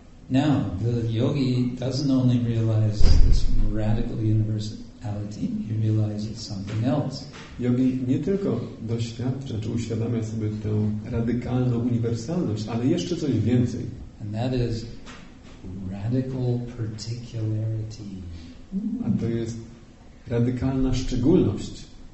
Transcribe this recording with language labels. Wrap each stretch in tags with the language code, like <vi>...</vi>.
<en>Now, the yogi doesn't only realize this radical universality, he realizes something else.</en> <pl>Yogi nie tylko doświadcza, czy uświadamia sobie tę radykalną uniwersalność, ale jeszcze coś więcej.</pl> <en>And that is radical particularity.</en> <pl>A to jest radykalna szczególność.</pl>